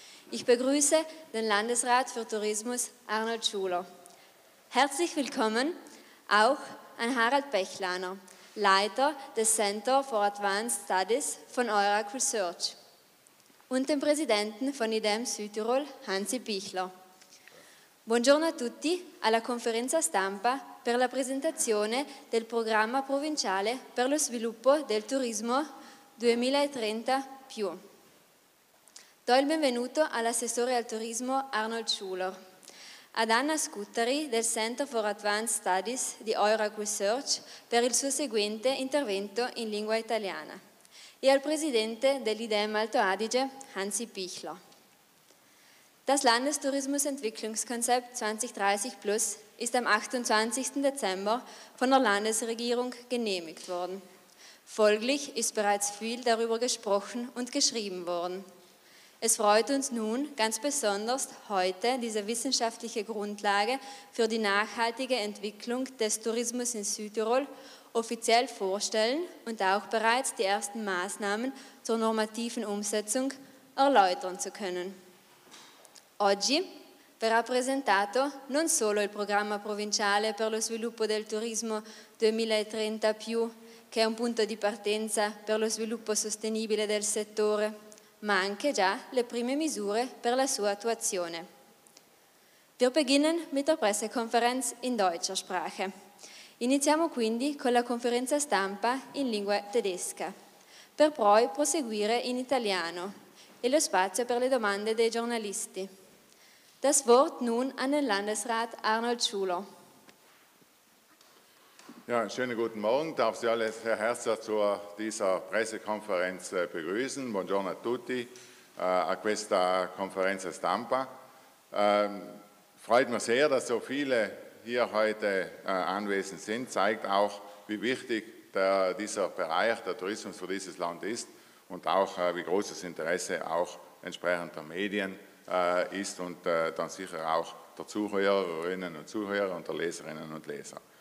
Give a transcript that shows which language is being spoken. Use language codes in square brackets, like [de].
[de] Ich begrüße den Landesrat für Tourismus Arnold Schuler. Herzlich willkommen auch an Harald Bechlaner, Leiter des Center for Advanced Studies von Eurac Research und dem Präsidenten von IDEM Südtirol, Hansi Bichler. [it] Buongiorno a tutti alla conferenza stampa per la presentazione del programma provinciale per lo sviluppo del turismo 2030+. Do il benvenuto all'assessore al turismo Arnold Schuler, ad Anna Scuttari del Center for Advanced Studies di Eurac Research per il suo seguente intervento in lingua italiana e al presidente dell'IDEM Alto Adige, Hansi Bichler. [de] Das Landestourismusentwicklungskonzept 2030+ ist am 28. Dezember von der Landesregierung genehmigt worden. Folglich ist bereits viel darüber gesprochen und geschrieben worden. Es freut uns nun ganz besonders, heute diese wissenschaftliche Grundlage für die nachhaltige Entwicklung des Tourismus in Südtirol offiziell vorstellen und auch bereits die ersten Maßnahmen zur normativen Umsetzung erläutern zu können. [it] Oggi verrà presentato non solo il programma provinciale per lo sviluppo del turismo 2030+, che è un punto di partenza per lo sviluppo sostenibile del settore, ma anche già le prime misure per la sua attuazione. [de] Wir beginnen mit der Pressekonferenz in deutscher Sprache. [it] Iniziamo quindi con la conferenza stampa in lingua tedesca, per poi proseguire in italiano e lo spazio per le domande dei giornalisti. [de] Das Wort nun an den Landesrat Arnold Schuler. Ja, schönen guten Morgen. Darf Sie alle sehr herzlich zu dieser Pressekonferenz begrüßen. [it] Buongiorno a tutti a questa conferenza stampa. [de] Freut mich sehr, dass so viele hier heute anwesend sind. Zeigt auch, wie wichtig dieser Bereich der Tourismus für dieses Land ist und auch wie großes Interesse auch entsprechend der Medien ist und dann sicher auch der Zuhörerinnen und Zuhörer und der Leserinnen und Leser.